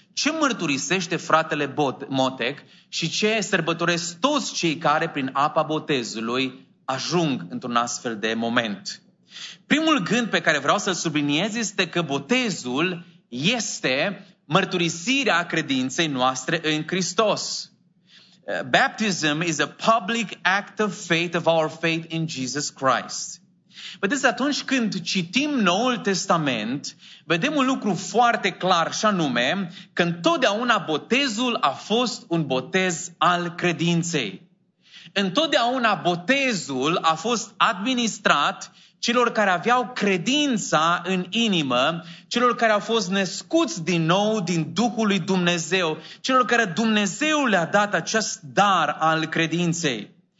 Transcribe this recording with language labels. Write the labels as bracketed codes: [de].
[ro] Ce mărturisește fratele Motec și ce sărbătoresc toți cei care prin apa botezului ajung într-un astfel de moment? Primul gând pe care vreau să-l subliniez este că botezul este mărturisirea credinței noastre în Hristos. [en] Baptism is a public act of faith of our faith in Jesus Christ. [ro] Vedeți, atunci când citim Noul Testament, vedem un lucru foarte clar și anume că întotdeauna botezul a fost un botez al credinței. Întotdeauna botezul a fost administrat celor care aveau credința în inimă, celor care au fost născuți din nou din Duhul lui Dumnezeu, celor care Dumnezeu le-a dat acest dar al credinței.